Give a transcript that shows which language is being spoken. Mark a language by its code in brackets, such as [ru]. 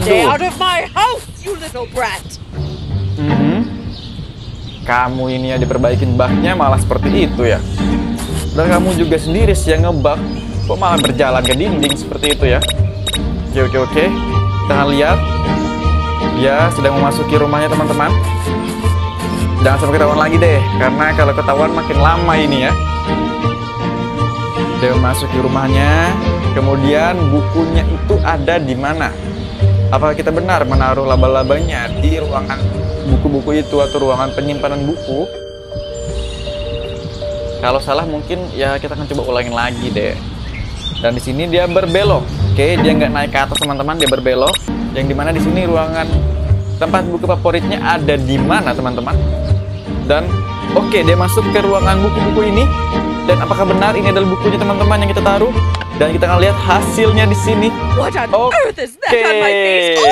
[en] Stay out of my house, you little brat. [id] Kamu ini ya diperbaikin bug-nya malah seperti itu ya. Dan kamu juga sendiri sih yang ngebug. Kok malah berjalan ke dinding seperti itu ya. Oke. Kita lihat. Dia sedang memasuki rumahnya, teman-teman. Jangan sampai ketahuan lagi deh. Karena kalau ketahuan makin lama ini ya. Dia memasuki rumahnya. Kemudian bukunya itu ada di mana? Apakah kita benar menaruh laba-labanya di ruangan buku-buku itu atau ruangan penyimpanan buku? Kalau salah mungkin ya kita akan coba ulangin lagi deh. Dan di sini dia berbelok. Oke, dia nggak naik ke atas, teman-teman. Dia berbelok. Yang dimana di sini ruangan tempat buku favoritnya ada di mana, teman-teman? Dan oke, dia masuk ke ruangan buku-buku ini. Dan apakah benar ini adalah bukunya, teman-teman, yang kita taruh? Dan kita akan lihat hasilnya di sini. [en] What on earth is that on my face?